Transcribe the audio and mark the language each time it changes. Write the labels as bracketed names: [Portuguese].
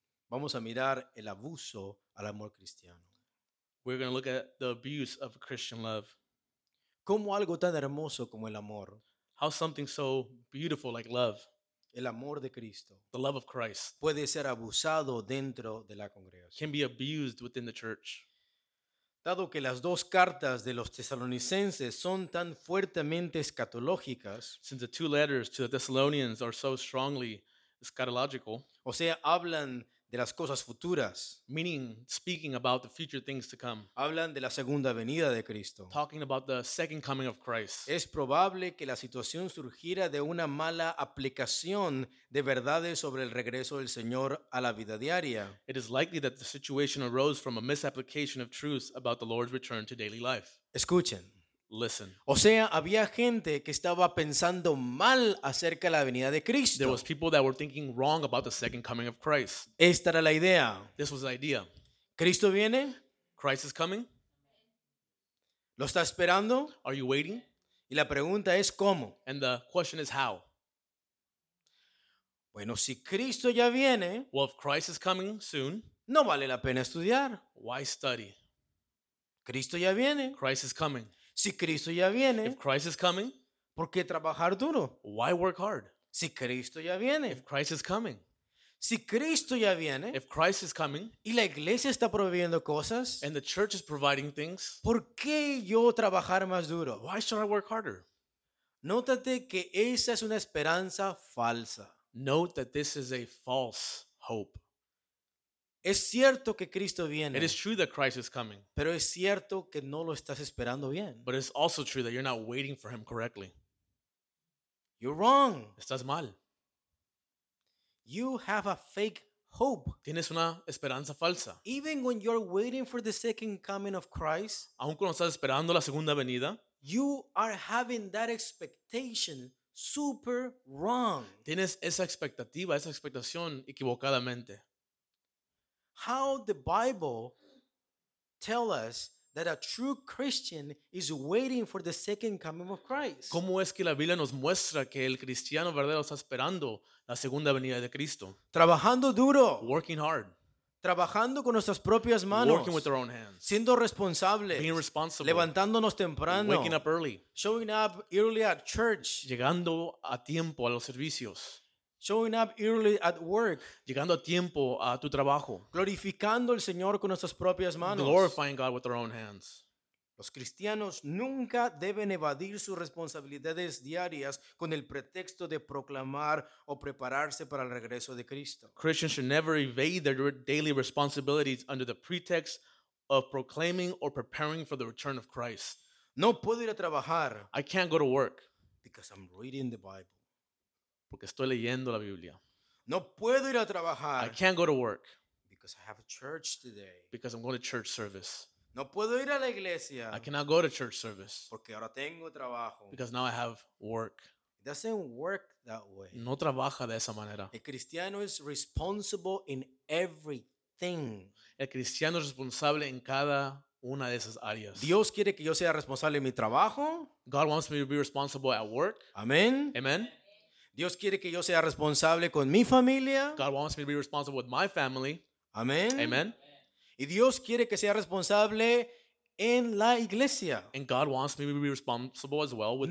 [Spanish] Vamos a mirar el abuso al amor cristiano. [English] We're going to look at the abuse of Christian love. [Spanish] ¿Cómo algo tan hermoso como el amor? [English] How something so beautiful like love. [Spanish] El amor de Cristo. [English] The love of Christ. [Spanish] Puede ser abusado dentro de la congregación. [English] Can be abused within the church. [Spanish] Dado que las dos cartas de los Tesalonicenses son tan fuertemente escatológicas, [English] since the two letters to the Thessalonians are so strongly eschatological, [Spanish] o sea, hablan de las cosas futuras, [English] meaning speaking about the future things to come, [Spanish] hablan de la segunda venida de Cristo, [English] talking about the second coming of Christ, [Spanish] es probable que la situación surgiera de una mala aplicación de verdades sobre el regreso del Señor a la vida diaria. [English] It is likely that the situation arose from a misapplication of truths about the Lord's return to daily life. [Spanish] Escuchen. [English] Listen. [Spanish] O sea, había gente que estaba pensando mal acerca de la venida de Cristo. [English] There was people that were thinking wrong about the second coming of Christ. [Spanish] Esta era la idea. [English] This was the idea. [Spanish] ¿Cristo viene? [English] Christ is coming. [Spanish] ¿Lo está esperando? [English] Are you waiting? [Spanish] Y la pregunta es ¿cómo? [English] And the question is how? [Spanish] Bueno, si Cristo ya viene, [English] well, if Christ is coming soon, [Spanish] no vale la pena estudiar. [English] Why study? [Spanish] Cristo ya viene. [English] Christ is coming. [Spanish] Si Cristo ya viene, [English] if Christ is coming, [Spanish] ¿por qué trabajar duro? [English] Why work hard? [Spanish] Si Cristo ya viene, [English] if Christ is coming, [Spanish] si Cristo ya viene, [English] if Christ is coming, [Spanish] y la iglesia está proveyendo cosas, [English] and the church is providing things, [Spanish] ¿por qué yo trabajar más duro? [English] Why should I work harder? [Spanish] Nótate que esa es una esperanza falsa. [English] Note that this is a false hope. [Spanish] Es cierto que Cristo viene. [English] It is true that Christ is coming. [Spanish] Pero es cierto que no lo estás esperando bien. [English] But it's also true that you're not waiting for him correctly. You're wrong. [Spanish] Estás mal. [English] You have a fake hope. [Spanish] Tienes una esperanza falsa. [English] Even when you're waiting for the second coming of Christ, [Spanish] aun cuando estás esperando la segunda venida, [English] you are having that expectation super wrong. [Spanish] Tienes esa expectativa, esa expectación equivocadamente. [English] How the Bible tell us that a true Christian is waiting for the second coming of Christ? [Spanish] ¿Cómo es que la Biblia nos muestra que el cristiano verdadero está esperando la segunda venida de Cristo? Trabajando duro. [English] Working hard. [Spanish] Trabajando con nuestras propias manos. [English] Working with our own hands. [Spanish] Siendo responsables. [English] Being responsible. [Spanish] Levantándonos temprano. [English] Waking up early. Showing up early at church. [Spanish] Llegando a tiempo a los servicios. [English] Showing up early at work. [Spanish] Llegando a tiempo a tu trabajo. Glorificando al Señor con nuestras propias manos. [English] Glorifying God with our own hands. [Spanish] Los cristianos nunca deben evadir sus responsabilidades diarias con el pretexto de proclamar o prepararse para el regreso de Cristo. [English] Christians should never evade their daily responsibilities under the pretext of proclaiming or preparing for the return of Christ. [Spanish] No puedo ir a trabajar. [English] I can't go to work. Because I'm reading the Bible. [Spanish] Porque estoy leyendo la Biblia. No puedo ir a trabajar. [English] I can't go to work. Because I have a church today. Because I'm going to church service. [Spanish] No puedo ir a la iglesia. [English] I cannot go to church service. [Spanish] Porque ahora tengo trabajo. [English] Because now I have work. It doesn't work that way. [Spanish] No trabaja de esa manera. El cristiano [English] is responsible in everything. [Spanish] El cristiano es responsable en cada una de esas áreas. Dios quiere que yo sea responsable en mi trabajo. [English] God wants me to be responsible at work. [Spanish] Amén. [English] Amen. [Spanish] Dios quiere que yo sea responsable con mi familia. [English] God wants me to be responsible with my family. [Spanish] Amén. [English] Amen. [Spanish] Y Dios quiere que sea responsable en la iglesia. [English] And God wants me to be responsible as well within